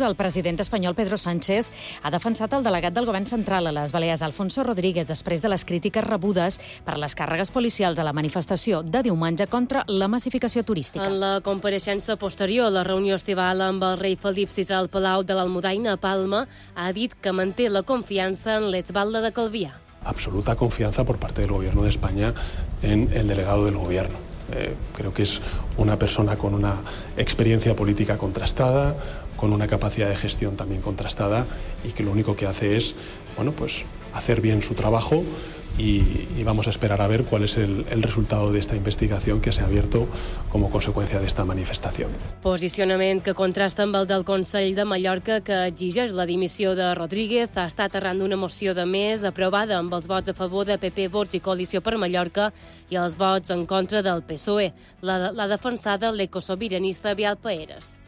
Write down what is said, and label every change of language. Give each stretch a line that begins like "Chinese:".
Catalan: El president espanyol Pedro Sánchez ha defensat el delegat del govern central a les Balears, Alfonso Rodríguez, després de les crítiques rebudes per les càrregues policials a la manifestació de diumenge contra la massificació turística. En la compareixença posterior a la reunió estival amb el rei Felip VI al Palau de l'Almudaina a Palma, ha dit que manté la confiança en l'exbalde de Calvià.
Spanish: Absoluta confiança por parte del gobierno de España en el delegado del gobierno. Creo que es una persona con una experiencia política contrastada, con una capacidad de gestión también contrastada y que lo único que hace es, bueno, pues hacer bien su trabajo y vamos a esperar a ver cuál es el resultado de esta investigación que se ha abierto como consecuencia de esta manifestación.
Catalan: Posicionament que contrasta amb el del Consell de Mallorca que exigeix la dimissió de Rodríguez ha estat arran d'una moció de Més aprovada amb els vots a favor de PP, Vox i Coalició per Mallorca i els vots en contra del PSOE. La defensada l'ecosobiranista Vial Paeres.